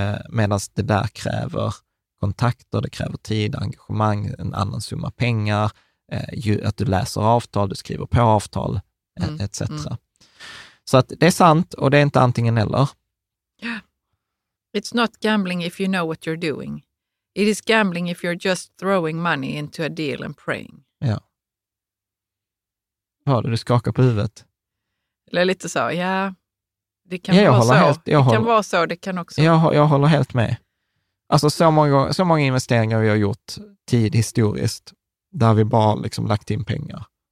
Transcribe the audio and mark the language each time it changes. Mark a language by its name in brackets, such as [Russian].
[Swedish] Medans det där kräver kontakter, det kräver tid, engagemang, en annan summa pengar, att du läser avtal, du skriver på avtal, etc. Så att det är sant och det är inte antingen eller. [English] Yeah. It's not gambling if you know what you're doing. It is gambling if you're just throwing money into a deal and praying. [Swedish] Ja. Vad du skakar på huvudet? Eller lite så, ja. Det kan vara så, det kan också. Jag håller helt med. Alltså så många investeringar vi har gjort tid historiskt där vi bara liksom lagt in pengar.